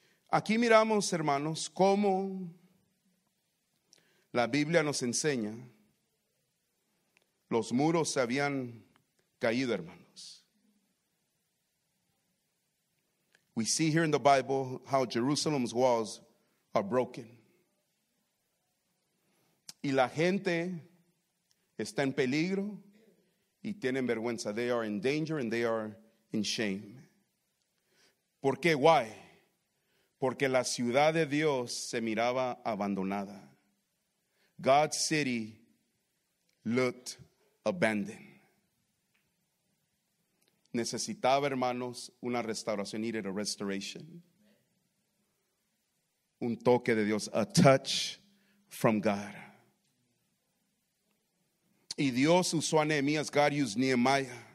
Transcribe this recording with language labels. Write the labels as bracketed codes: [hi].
[es] Aquí miramos, hermanos, cómo la Biblia nos enseña. Los muros se habían caído, hermanos. [en] We see here in the Bible how Jerusalem's walls are broken. [es] Y la gente está en peligro y tienen vergüenza. [en] They are in danger and they are in shame. [es] ¿Por qué? [en] Why? [es] Porque la ciudad de Dios se miraba abandonada. [en] God's city looked abandoned. [es] Necesitaba, hermanos, una restauración. [en] Needed a restoration. [es] Un toque de Dios. [en] A touch from God. [es] Y Dios usó a Nehemías. [en] God used Nehemiah.